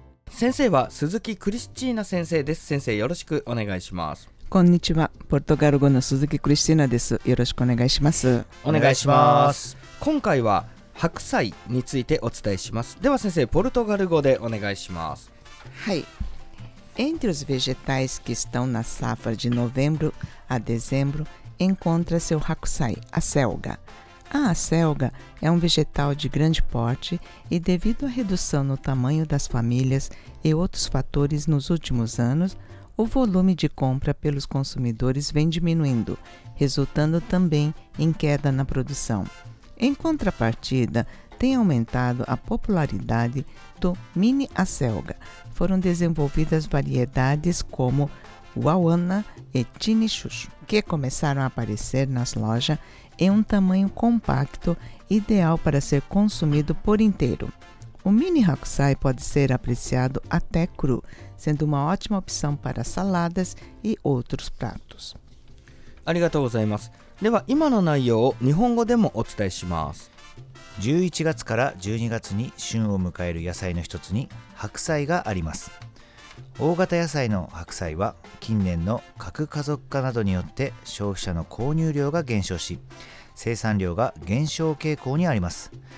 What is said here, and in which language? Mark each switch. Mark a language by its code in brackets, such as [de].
[ja] 先生は鈴木クリスチーナ先生です。先生よろしくお願いします。こんにちは、ポルトガル語の鈴木クリスチーナです。よろしくお願いします。お願いします。今回は白菜についてお伝えします。では先生、ポルトガル語でお願いします。はい。 [pt] Entre os vegetais que estão na safra de novembro a dezembro, encontra-se o hakusai, a selga. A selga é um vegetal de grande porte e, devido à redução no tamanho das famílias e outros fatores nos últimos anos, o volume de compra pelos consumidores vem diminuindo, resultando também em queda na produção. Em contrapartida, tem aumentado a popularidade do mini acelga. Foram desenvolvidas variedades como Wawana e Chinichuchu, que começaram a aparecer nas lojas em um tamanho compacto ideal para ser consumido por inteiro. O mini hakusai pode ser apreciado até cru, sendo uma ótima opção para saladas e outros pratos. Obrigado. [ja] では今の内容を日本語でもお伝えします。 11月から12月に旬を迎える野菜の一つに白菜があります。大型野菜の白菜は近年の核家族化などによって消費者の購入量が減少し、生産量が減少傾向にあります。